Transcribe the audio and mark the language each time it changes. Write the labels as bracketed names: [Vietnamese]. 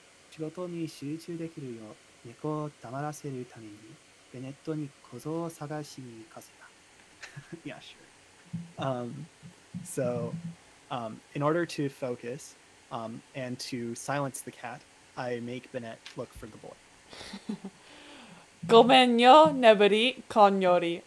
[Japanese] 仕事に集中できるよう猫を黙らせるためにベネットに小僧を探しに行かせた。 [English] Yeah, sure. In order to focus and to silence the cat, I make Bennett look for the boy. [Japanese] ごめんよ、ネブリ、コンヨリ。